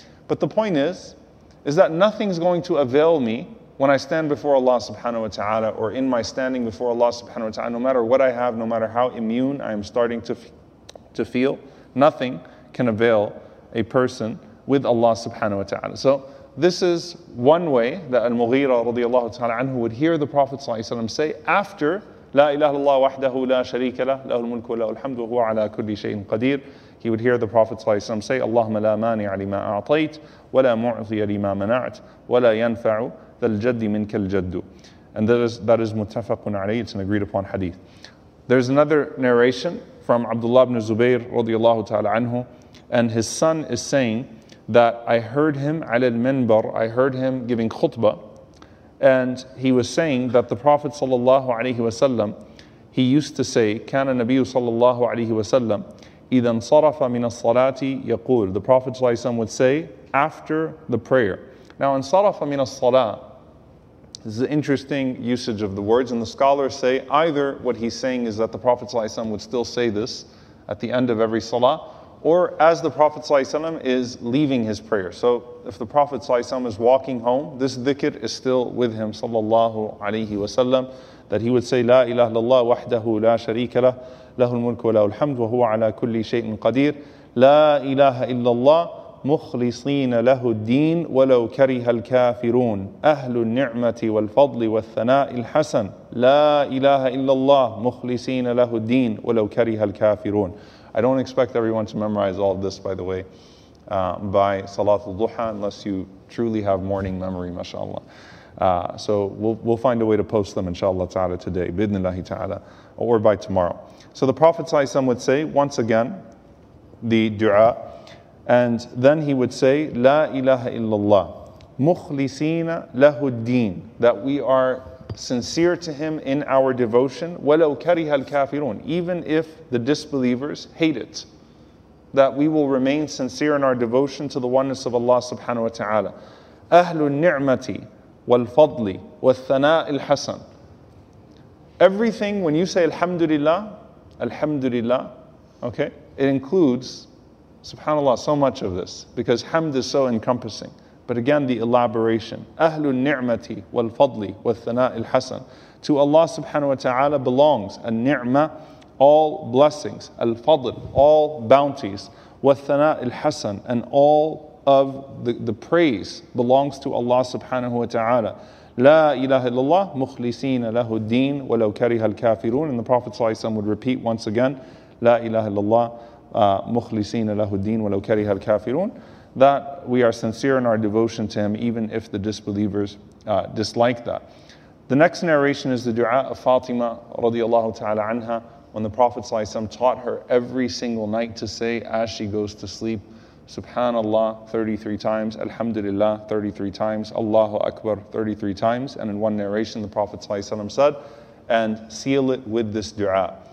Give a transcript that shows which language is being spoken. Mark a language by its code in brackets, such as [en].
[en] But the point is that nothing's going to avail me when I stand before Allah subhanahu wa ta'ala or in my standing before Allah subhanahu wa ta'ala, no matter what I have, no matter how immune I am starting to feel, nothing can avail a person with Allah subhanahu wa ta'ala. So this is one way that Al-Mughira radiallahu ta'ala anhu would hear the Prophet sallallahu alayhi wa sallam say after [ar] لا إله الله وحده لا شريك له له الملك وله الحمد وهو على كل شيء قدير. [en] He would hear the Prophet [ar] صلى الله عليه وسلم [en] say, [ar] اللهم لا مانع لما أعطيت ولا معطي لما منعت ولا ينفع ذا الجد منك الجد. [en] And that is متفق عليه, it's an agreed upon hadith. There's another narration from Abdullah ibn Zubayr رضي الله تعالى عنه, and his son is saying that I heard him على المنبر, I heard him giving khutbah, and he was saying that the Prophet sallallahu alaihi wasallam, he used to say, [ar] كان النبي صلى الله عليه وسلم إذا انصرف من الصلاة يقول. [en] The Prophet صلى الله عليه وسلم would say after the prayer. Now [ar] انصرف من الصلاة, [en] this is an interesting usage of the words, and the scholars say either what he's saying is that the Prophet صلى الله عليه وسلم would still say this at the end of every salah, or as the Prophet صلى الله عليه وسلم is leaving his prayer. So if the Prophet [ar] صلى الله عليه وسلم [en] is walking home, this dhikr is still with him [ar] صلى الله عليه وسلم, [en] that he would say [ar] لا إله إلا الله وحده لا شريك له له الملك وله الحمد وهو على كل شيء قدير لا إله إلا الله مخلصين له الدين ولو كره الكافرون أهل النعمة والفضل والثناء الحسن لا إله إلا الله مخلصين له الدين ولو كره الكافرون. [en] I don't expect everyone to memorize all of this, by the way, by Salat al-Duha, unless you truly have morning memory, mashallah. So we'll find a way to post them, inshallah ta'ala, today, bidnillahi ta'ala, or by tomorrow. So the Prophet ﷺ would say, once again, the dua, and then he would say, [ar] La ilaha illallah, mukhlisina lahu ad-din, [en] that we are sincere to him in our devotion, [ar] walau kariha al-kafirun, [en] even if the disbelievers hate it, that we will remain sincere in our devotion to the oneness of Allah subhanahu wa ta'ala. [ar] Ahlu ni'mati wal-fadli wal-thana'il hasan. [en] Everything, when you say alhamdulillah, alhamdulillah, okay, it includes, subhanAllah, so much of this, because hamd is so encompassing. But again, the elaboration. [ar] أهل النعمة والفضل والثناء الحسن. [en] To Allah subhanahu wa ta'ala belongs النعمه, all blessings. الفضل, all bounties. [ar] والثناء الحسن, [en] and all of the praise belongs to Allah subhanahu wa ta'ala. [ar] لا إله إلا الله مخلصين له الدين ولو كره الكافرون. [en] And the Prophet صلى الله عليه وسلم would repeat once again, [ar] لا إله إلا الله مخلصين له الدين ولو كره الكافرون, [en] that we are sincere in our devotion to him, even if the disbelievers dislike that. The next narration is the dua of Fatima radiallahu ta'ala anha, when the Prophet ﷺ taught her every single night to say as she goes to sleep, Subhanallah 33 times, Alhamdulillah 33 times, Allahu Akbar 33 times, and in one narration the Prophet ﷺ said, and seal it with this dua.